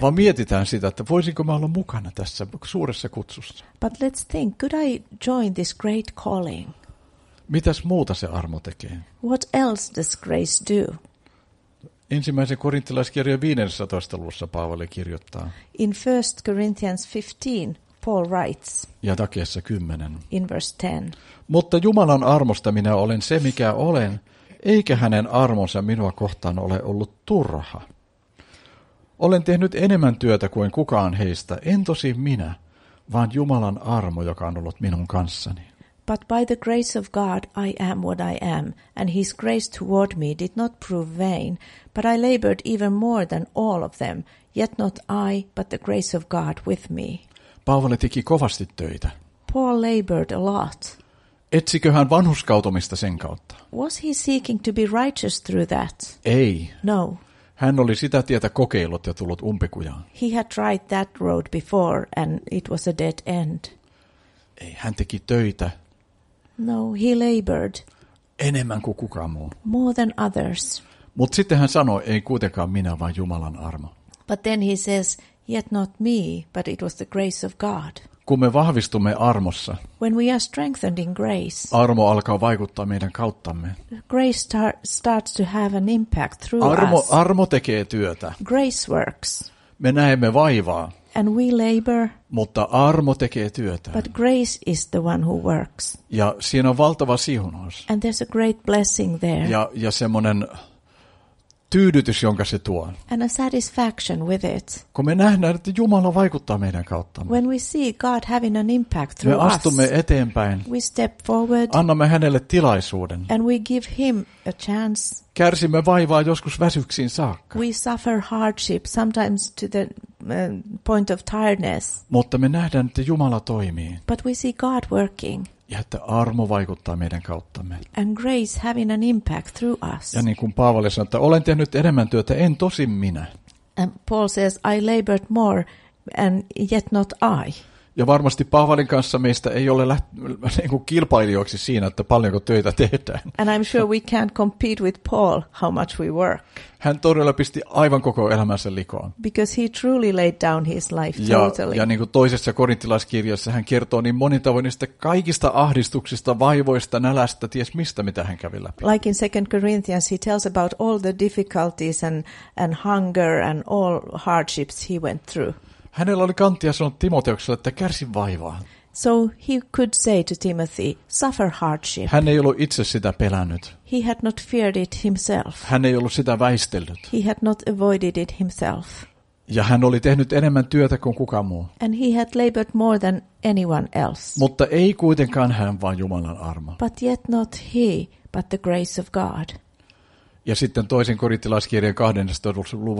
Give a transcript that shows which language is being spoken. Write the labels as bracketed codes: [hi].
[fi] Vaan mietitään sitä, että voisinko mä olla mukana tässä suuressa kutsussa. [en] But let's think, could I join this great calling? [fi] Mitäs muuta se armo tekee? [en] What else does grace do? [fi] Ensimmäisen korintilaiskirjan 15. luvussa Paavali kirjoittaa. [en] In 1 Corinthians 15, Paul writes. [fi] Ja takeessa 10. [en] In verse 10. [fi] Mutta Jumalan armosta minä olen se, mikä olen, eikä hänen armonsa minua kohtaan ole ollut turha. Olen tehnyt enemmän työtä kuin kukaan heistä, en tosi minä, vaan Jumalan armo, joka on ollut minun kanssani. [en] But by the grace of God I am what I am, and his grace toward me did not prove vain, but I labored even more than all of them, yet not I, but the grace of God with me. [fi] Paavali teki kovasti töitä. [en] Paul labored a lot. [fi] Etsikö hän vanhurskautumista sen kautta? [en] Was he seeking to be righteous through that? [fi] Ei. [en] No. [fi] Hän oli sitä tietä kokeillut ja tullut umpikujaan. [en] He had tried that road before and it was a dead end. [fi] Ei, hän teki töitä. [en] No, he labored. [fi] Enemmän kuin kukaan muu. [en] More than others. [fi] Mut sitten hän sanoi, ei kuitenkaan minä, vaan Jumalan armo. [en] But then he says, yet not me, but it was the grace of God. [fi] Kun me vahvistumme armossa. [en] When we are strengthened in grace. [fi] Armo alkaa vaikuttaa meidän kauttamme. [en] Grace starts to have an impact through [fi] armo, [en] us. [fi] Armo tekee työtä. [en] Grace works. [fi] Me näemme vaivaa. [en] And we labor. [fi] Mutta armo tekee työtä. [en] But grace is the one who works. [fi] Ja siinä on valtava siunaus. [en] And there's a great blessing there. [fi] Ja semmoinen tyydytys, jonka se tuo. [en] And a satisfaction with it. [fi] Kun me nähdään, että Jumala vaikuttaa meidän kauttamme. [en] When we see God having an impact through us. [fi] Me astumme eteenpäin. [en] We step forward. [fi] Annamme hänelle tilaisuuden. [en] And we give him a chance. [fi] Kärsimme vaivaa joskus väsyksiin saakka. [en] We suffer hardship sometimes to the point of tiredness. [fi] Mutta me nähdään, että Jumala toimii. [en] But we see God working. [fi] Ja että armo vaikuttaa meidän kauttamme. [en] And grace having an impact through us. [fi] Ja niin kuin Paavali sanoi, että olen tehnyt enemmän työtä, en tosin minä. [en] And Paul says, I labored more, and yet not I. [fi] Ja varmasti Paavalin kanssa meistä ei ole kilpailijoiksi siinä, että paljonko töitä tehdään. [en] And I'm sure we can't compete with Paul how much we work. [fi] Hän todella pisti aivan koko elämänsä likoon. [en] Because he truly laid down his life totally. [fi] Ja niin kuin toisessa korintilaiskirjassa hän kertoo niin monin tavoin niistä kaikista ahdistuksista, vaivoista, nälästä, ties mistä, mitä hän kävi läpi. [en] Like in 2 Corinthians he tells about all the difficulties and hunger and all hardships he went through. [fi] Hänellä oli kanttia sanoa Timoteukselle, että kärsi vaivaa. [en] So he could say to Timothy, suffer hardship. [fi] Hän ei ollut itse sitä pelännyt. [en] He had not feared it himself. [fi] Hän ei ollut sitä väistellyt. [en] He had not avoided it himself. [fi] Ja hän oli tehnyt enemmän työtä kuin kukaan muu. [en] And he had labored more than anyone else. [fi] Mutta ei kuitenkaan hän, vaan Jumalan armo. [en] But yet not he, but the grace of God. [fi] Ja sitten toisen korintilaiskirjan 12.